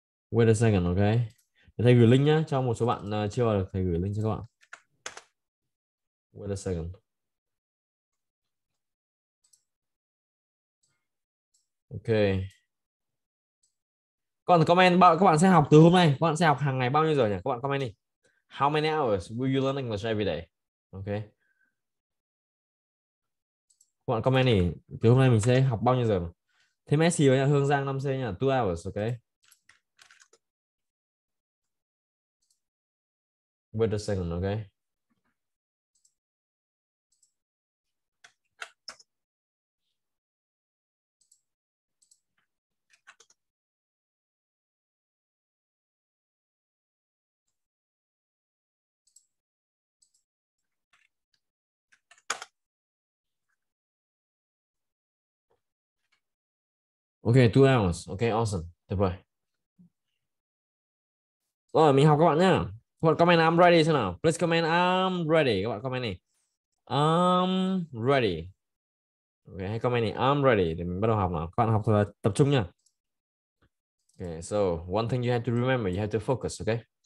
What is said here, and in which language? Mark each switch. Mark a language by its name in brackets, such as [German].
[English] Wait a second, ok. [Vietnamese] Để thầy gửi link nhá, cho một số bạn chưa vào được, thầy gửi link cho các bạn. [English] Wait a second. Ok. [Vietnamese] Các bạn comment, các bạn sẽ học từ hôm nay, các bạn sẽ học hàng ngày bao nhiêu giờ nhỉ? Các bạn comment đi. [English] How many hours will you learn English every day? Ok. [Vietnamese] Các bạn comment đi. Từ hôm nay mình sẽ học bao nhiêu giờ? Thế Messi với nhà Hương Giang 5C nhỉ? [English] 2 hours, ok. Wait a second, ok. Ok, 2 hours. Ok, awesome. [Vietnamese] Tuyệt vời. Rồi, mình học các bạn nhá. Các bạn comment [English] I'm ready [Vietnamese] xem nào. [English] Please comment I'm ready. [Vietnamese] Các bạn comment đi. [English] I'm ready. [Vietnamese] Ok, hãy comment đi. I'm ready. Để mình bắt đầu học nào. Các bạn học thật là tập trung nhá. [English] Ok, so one thing you have to remember, you have to focus, ok?